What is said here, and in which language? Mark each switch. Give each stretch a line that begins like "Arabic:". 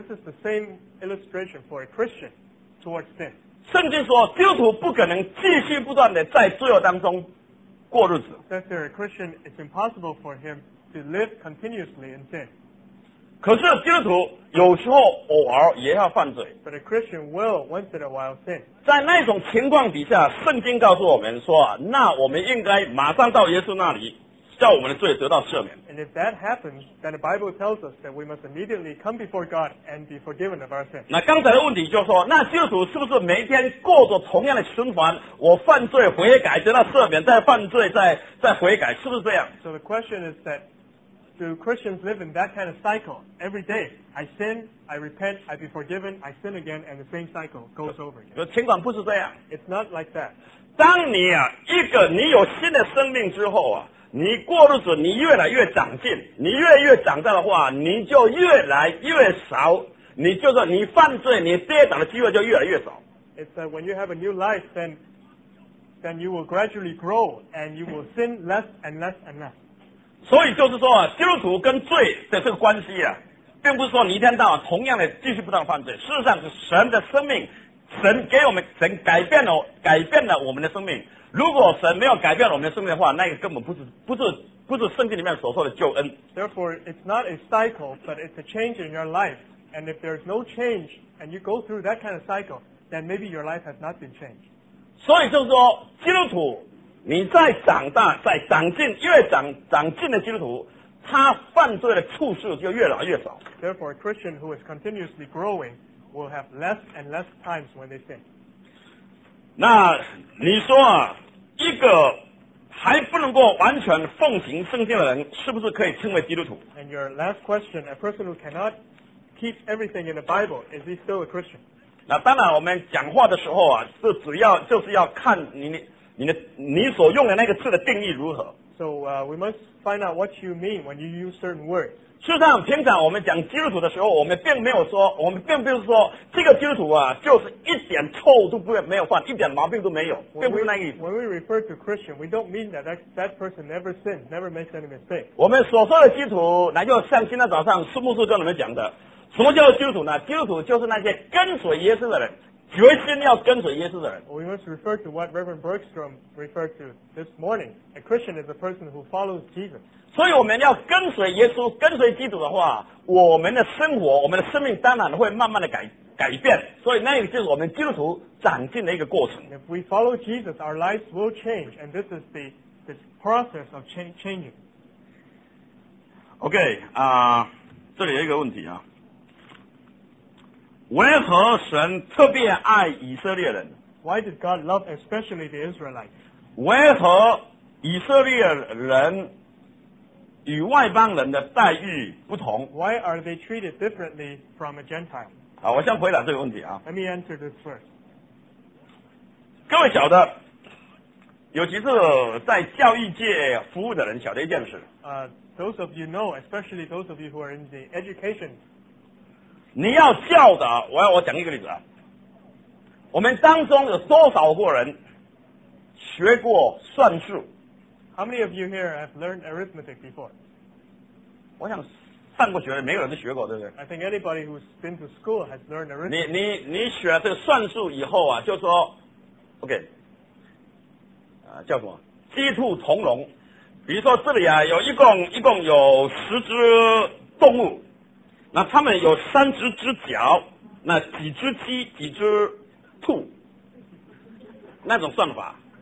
English: This is the same illustration for a Christian towards sin.
Chinese: 圣经说基督徒不可能继续不断的在罪恶当中。
English: Since they're a Christian, it's impossible for him to live continuously in sin.
Chinese: 可是基督徒有时候偶尔也要犯罪。
English: But a Christian will once in a while sin.
Chinese: 在那种情况底下，圣经告诉我们说，那我们应该马上到耶稣那里，叫我们的罪得到赦免。
English: And if that happens, then the Bible tells us that we must immediately come before God and be forgiven of our sin.
Chinese: 那刚才的问题就是说，那基督徒是不是每天过着同样的循环？我犯罪悔改得到赦免，再犯罪再悔改，是不是这样
English: ？So the question is that do Christians live in that kind of cycle every day? I sin, I repent, I be forgiven, I sin again, and the same cycle goes over again.
Chinese: 那情况不是这样。
English: It's not like that.
Chinese: 当你啊一个你有新的生命之后啊。你过日子，你越来越长进，你越来越长大的话，你就越来越少。你就说你犯罪，你跌倒的机会就越来越少。
English: It's that when you have a new life, then you will gradually grow and you will sin less and less and less.
Chinese: 所以就是说啊，基督徒跟罪的这个关系啊，并不是说你一天到晚同样的继续不断犯罪。事实上是神的生命，神给我们，神改变了我们的生命。如果神没有改变我们的生命的话，那个根本不是圣经里面所说的救恩。
English: Therefore, it's not a cycle, but it's a change in your life. And if there's no change, and you go through that kind of cycle, then maybe your life has not been changed.
Chinese: 所以就是说，基督徒，你在长大，在长进，越长进的基督徒，他犯罪的次数就越来越少。
English: Therefore, a Christian who is continuously growing will have less and less times when they sin.
Chinese: 那你说啊，一个还不能够完全奉行圣经的人，是不是可以称为基督徒
English: ？And your last question, a person who cannot keep everything in the Bible, is he still a Christian?
Chinese: 那当然，我们讲话的时候啊，是主要就是要看你所用的那个字的定义如何。
English: So, we must find out what you mean when you use certain words.
Chinese: 事实上，平常我们讲基督徒的时候，我们并不是说这个基督徒啊，就是一点错误都没有犯，一点毛病都没有，并不是那个意思。
English: When we refer to Christian, we don't mean that person never sinned, never makes any mistake.
Chinese: 我们所说的基督徒，那就像今天早上苏牧师跟我们讲的，什么叫基督徒呢？基督徒就是那些跟随耶稣的人，决心要跟随耶稣的人。
English: We must refer to what Reverend Bergstrom referred to this morning. A Christian is a person who follows Jesus.
Chinese: 所以我们要跟随耶稣跟随基督的话我们的生活我们的生命当然会慢慢的改变所以那个就是我们基督徒长进的一个过程
English: If we follow Jesus our lives will change and this is the process of changing
Chinese: OK 这里有一个问题啊为何神特别爱以色列人
English: Why did God love especially the Israelites
Chinese: 为何以色列人与外邦人的待遇不同。
English: Why are they treated differently from a Gentile?
Chinese: 好，我先回答这个问题啊。
English: Let me answer this first.
Chinese: 各位晓得，有几次在教育界服务的人晓得一件事。
English: Those of you know, especially those of you who are in the education.
Chinese: 你要教的，我讲一个例子啊。我们当中有多少个人学过算术？
English: How many of you here have learned arithmetic before?
Chinese: 我想上过学的没有人都学过，对不对？
English: I think anybody who's been to school has learned arithmetic.
Chinese: 你学这个算术以后啊，就说 OK、叫什么鸡兔同笼，比如说这里啊有一共有十只动物，那他们有三只只脚，那几只鸡几只兔，那种算法